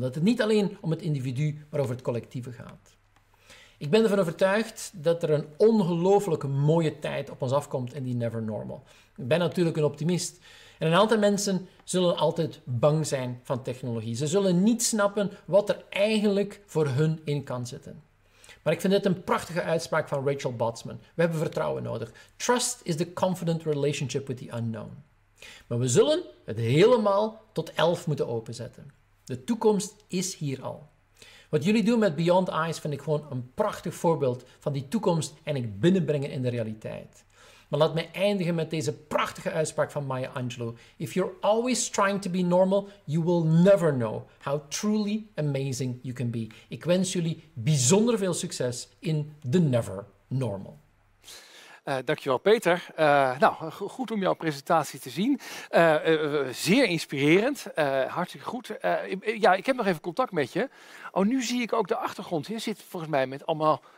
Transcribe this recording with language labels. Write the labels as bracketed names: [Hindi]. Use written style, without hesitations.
[Dutch] Dat het niet alleen om het individu, maar over het collectieve gaat. Ik ben ervan overtuigd dat er een ongelooflijk mooie tijd op ons afkomt in die never normal. Ik ben natuurlijk een optimist. En een aantal mensen zullen altijd bang zijn van technologie. Ze zullen niet snappen wat er eigenlijk voor hun in kan zitten. Maar ik vind dit een prachtige uitspraak van Rachel Botsman. We hebben vertrouwen nodig. [English] Trust is the confident relationship with the unknown. [Dutch] Maar we zullen het helemaal tot 11 moeten openzetten. De toekomst is hier al. Wat jullie doen met Beyond Eyes vind ik gewoon een prachtig voorbeeld van die toekomst en ik binnenbrengen in de realiteit. Maar laat mij eindigen met deze prachtige uitspraak van Maya Angelou. [English] If you're always trying to be normal, you will never know how truly amazing you can be. [Dutch] Ik wens jullie bijzonder veel succes in the never normal. Dankjewel Peter. Goed om jouw presentatie te zien. Zeer inspirerend. Hartstikke goed. Ik heb nog even contact met je. Oh, nu zie ik ook de achtergrond. Je zit volgens mij met allemaal...